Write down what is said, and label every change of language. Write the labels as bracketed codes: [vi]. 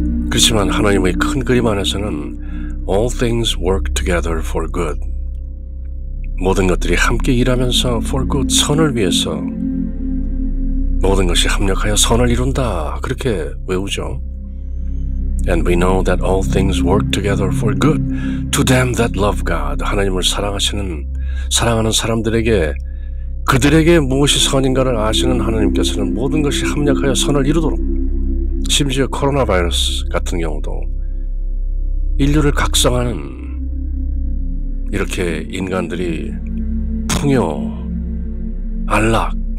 [ko] 그렇지만 하나님의 큰 그림 안에서는 [en] All things work together for good. [ko] 모든 것들이 함께 일하면서 [en] for good, [ko] 선을 위해서 모든 것이 합력하여 선을 이룬다. 그렇게 외우죠. [en] And we know that all things work together for good to them that love God. [ko] 하나님을 사랑하는 사람들에게 그들에게 무엇이 선인가를 아시는 하나님께서는 모든 것이 합력하여 선을 이루도록 심지어 코로나 바이러스 같은 경우도 인류를 각성하는 이렇게 인간들이 풍요, 안락,